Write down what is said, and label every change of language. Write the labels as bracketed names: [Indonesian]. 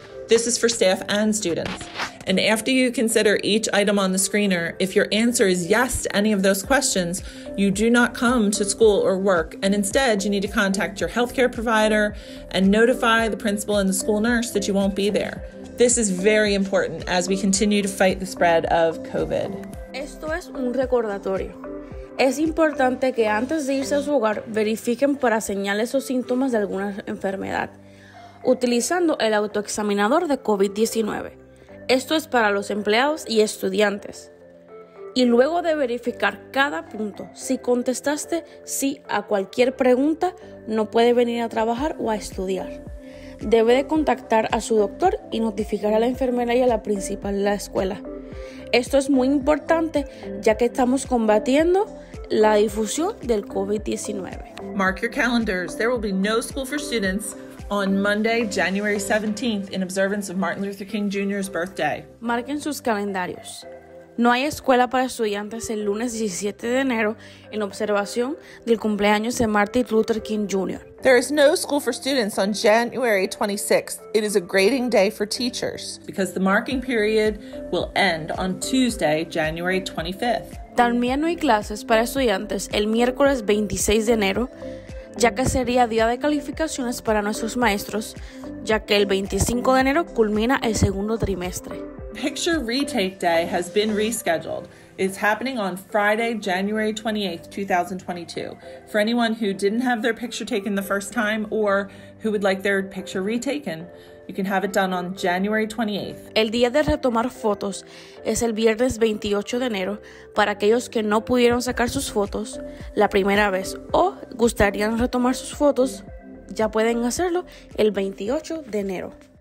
[English] This is for staff and students. And after you consider each item on the screener, if your answer is yes to any of those questions, you do not come to school or work. And instead, you need to contact your healthcare provider and notify the principal and the school nurse that you won't be there. This is very important as we continue to fight the spread of COVID. [Spanish] Esto es un recordatorio. Es importante que antes de irse a su hogar, verifiquen para señales o síntomas de alguna enfermedad, utilizando el autoexaminador de COVID-19. Esto es para los empleados y estudiantes. Y luego de verificar cada punto, si contestaste sí a cualquier pregunta, no puede venir a trabajar o a estudiar. Debe de contactar a su doctor y notificar a la enfermera y a la principal de la escuela. Esto es muy importante, ya que estamos combatiendo la difusión del COVID-19. [English] Mark your calendars. There will be no school for students on Monday, January 17th, in observance of Martin Luther King Jr.'s birthday. [Spanish] Marquen sus calendarios. No hay escuela para estudiantes el lunes 17 de enero en observación del cumpleaños de Martin Luther King Jr. [English] There is no school for students on January 26th. It is a grading day for teachers because the marking period will end on Tuesday, January 25th. [Spanish] También no hay clases para estudiantes el miércoles 26 de enero, ya que sería día de calificaciones para nuestros maestros, ya que el 25 de enero culmina el segundo trimestre. [English] Picture Retake Day has been rescheduled. It's happening on Friday, January 28th, 2022. For anyone who didn't have their picture taken the first time or who would like their picture retaken, you can have it done on January 28th. [Spanish] El día de retomar fotos es el viernes 28 de enero para aquellos que no pudieron sacar sus fotos la primera vez o gustarían retomar sus fotos, ya pueden hacerlo el 28 de enero.